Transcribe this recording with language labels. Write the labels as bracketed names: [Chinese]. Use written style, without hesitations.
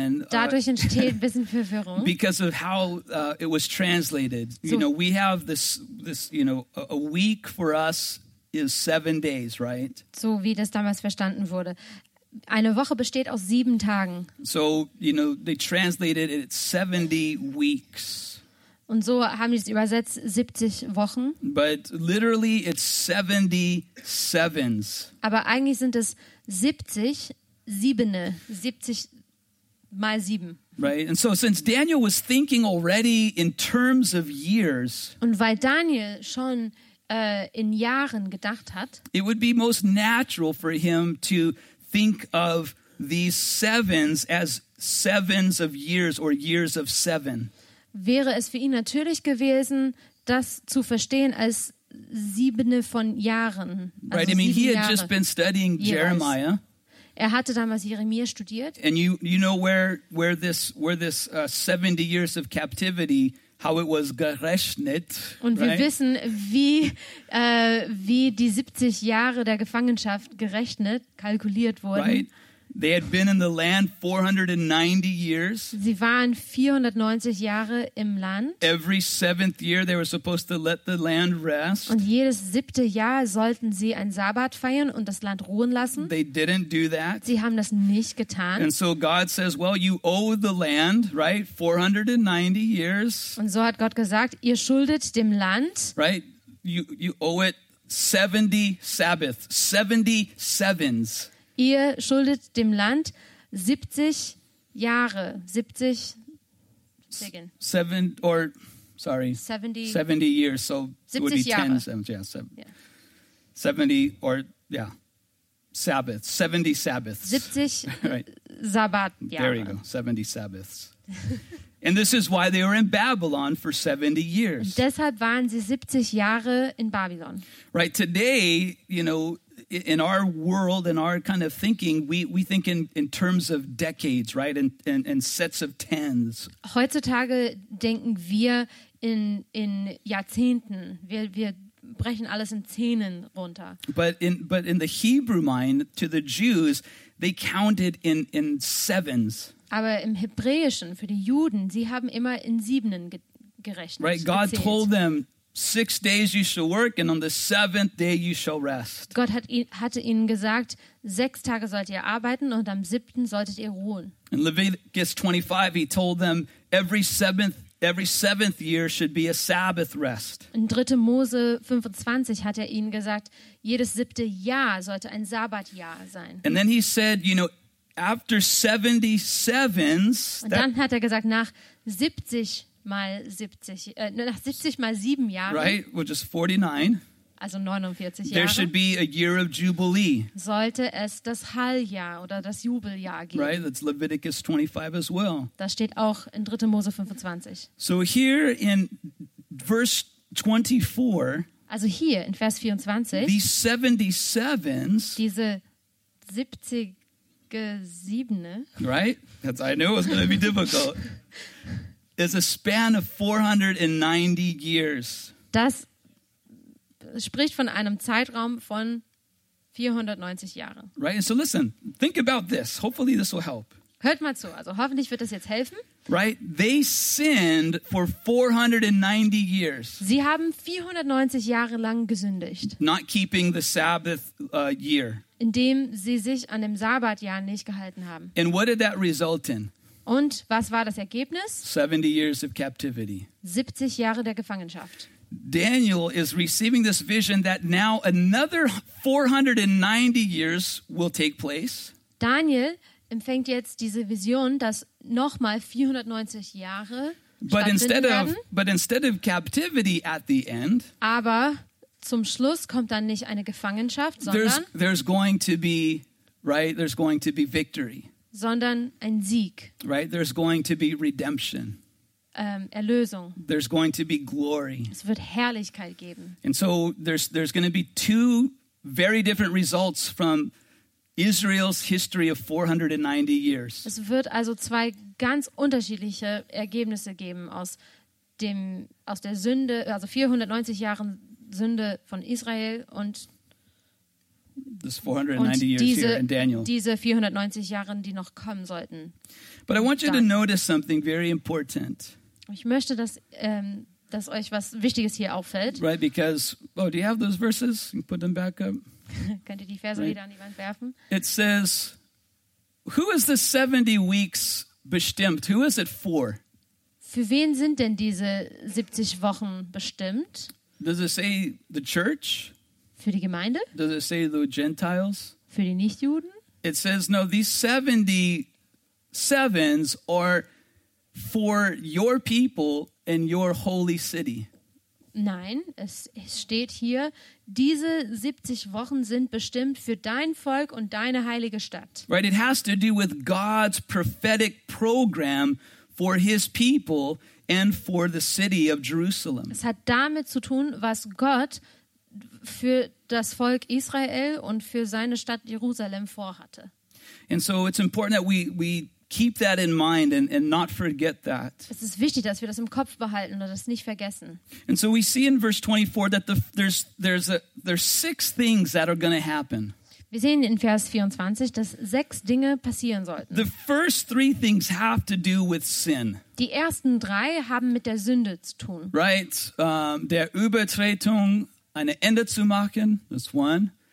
[German] dadurch entsteht ein bisschen Verwirrung. [English] Because of how it was translated. So, you know, we have this you know, a week for us is 7 days, right? [German] So wie das damals verstanden wurde. Eine Woche besteht aus 7 Tagen. [English] So, you know, they translated it 70 weeks. [German] Und so haben die es übersetzt, 70 Wochen. [English] But literally it's 70 sevens. [German] Aber eigentlich sind es 70 Siebene, 70 mal 7. [English] Right, and so since Daniel was thinking already in terms of years, [German] und weil Daniel schon in Jahren gedacht hat, [English] it would be most natural for him to think of these sevens as sevens of years or years of seven. [German] Wäre es für ihn natürlich gewesen, das zu verstehen als Siebene von Jahren. Also [English] right, I mean, he had just been studying Jeremiah. [German] Er hatte damals Jeremia studiert. [English] And you know where this 70 years of captivity, how it was gerechnet. [German] Und wir [English] right? [German] wissen, wie die 70 Jahre der Gefangenschaft gerechnet, kalkuliert wurden. [English] Right. They had been in the land 490 years. [German] Sie waren 490 Jahre im Land. [English] Every seventh year they were supposed to let the land rest. [German] Und jedes siebte Jahr sollten sie einen Sabbat feiern und das Land ruhen lassen. [English] They didn't do that. [German] Sie haben das nicht getan. [English] And so God says, well, you owe the land, right? 490 years. [German] Und so hat Gott gesagt, ihr schuldet dem Land. [English] Right? You owe it 70 Sabbaths, 70 sevens. [German] Ihr schuldet dem Land 70 Jahre, 70 [English] seven or sorry 70 years, so 70 it would be [German] Jahre. [English] 10 seven, yeah, seven, yeah. 70 or yeah Sabbath 70 Sabbaths [German] 70 right. Sabbat Jahre. [English] There you go, 70 Sabbaths. And this is why they were in Babylon for 70 years. [German] Und deshalb waren sie 70 Jahre in Babylon. [English] Right, today, you know, in our world, in our kind of thinking, we think in terms of decades, right? And sets of tens. [German] Heutzutage denken wir in Jahrzehnten. Wir brechen alles in Zehnen runter. [English] But in the Hebrew mind, to the Jews, they counted in sevens. [German] Aber im Hebräischen, für die Juden, sie haben immer in Siebenen gerechnet. [English] Right, God [German] gezählt. [English] Told them, 6 days you shall work, and on the seventh day you shall rest. [German] Gott hatte ihnen gesagt, 6 Tage sollt ihr arbeiten und am siebten solltet ihr ruhen. [English] In Leviticus 25, he told them every seventh year should be a Sabbath rest. [German] In 3. Mose 25 hat er ihnen gesagt, jedes siebte Jahr sollte ein Sabbatjahr sein. [English] And then he said, you know, after 70 sevens. [German] Und dann hat er gesagt, nach 70 mal 70, nach 70 mal 7 Jahren, [English] right, which is 49, [German] also 49 Jahre, [English] there should be a year of jubilee. [German] Sollte es das Halljahr oder das Jubeljahr geben. [English] Right, that's Leviticus 25 as well. [German] Das steht auch in 3. Mose 25. [English] So here in verse 24, [German] also hier in Vers 24, [English] these 77s, [German] diese 70 Siebene, [English] right, that's, I knew it was going to be difficult, is a span of 490 years. [German] Das spricht von einem Zeitraum von 490 Jahren. [English] Right, and so listen, think about this. Hopefully this will help. [German] Hört mal zu, also hoffentlich wird das jetzt helfen. [English] Right, they sinned for 490 years. [German] Sie haben 490 Jahre lang gesündigt. [English] Not keeping the Sabbath year. [German] Indem sie sich an dem Sabbatjahr nicht gehalten haben. [English] And what did that result in? [German] Und was war das Ergebnis? [English] 70 years of captivity. [German] 70 Jahre der Gefangenschaft. [English] Daniel is receiving this vision that now another 490 years will take place. [German] Daniel empfängt jetzt diese Vision, dass nochmal 490 Jahre [English] but instead of captivity at the end, [German] aber zum Schluss kommt dann nicht eine Gefangenschaft, sondern [English] there's going to be victory, [German] sondern ein Sieg, [English] right? There's going to be redemption, [German] Erlösung. [English] There's going to be glory. [German] Es wird Herrlichkeit geben. [English] And so there's going to be two very different results from Israel's history of 490 years. [German] Es wird also zwei ganz unterschiedliche Ergebnisse geben aus der Sünde, also 490 Jahren Sünde von Israel und [English] this 490 years here in Daniel. [German] Diese 490 Jahren, die noch kommen sollten. [English] But I want you to notice something very important. [German] Ich möchte, dass euch was Wichtiges hier auffällt. [English] Right, because do you have those verses? You can put them back up. [German] Könnt ihr die Verse wieder an die Wand werfen? [English] It says, who is the 70 weeks bestimmt? Who is it for? [German] Für wen sind denn diese 70 Wochen bestimmt? [English] Does it say the church? [German] Für die Gemeinde? [English] Does it say the Gentiles? [German] Für die Nichtjuden? [English] It says, no, these 70 sevens are for your people and your holy city. [German] Nein, es steht hier, diese 70 Wochen sind bestimmt für dein Volk und deine heilige Stadt. [English] Right, it has to do with God's prophetic program for his people and for the city of Jerusalem. [German] Es hat damit zu tun, was Gott für das Volk Israel und für seine Stadt Jerusalem vorhatte. [English] And so it's important that we keep that in mind and not forget that. [German] Es ist wichtig, dass wir das im Kopf behalten und das nicht vergessen. [English] And so we see in verse 24 that there's six things that are going to happen. [German] Wir sehen in Vers 24, dass sechs Dinge passieren sollten. [English] The first three things have to do with sin. [German] Die ersten drei haben mit der Sünde zu tun. Right, der Übertretung ein Ende zu machen, [English] that's one.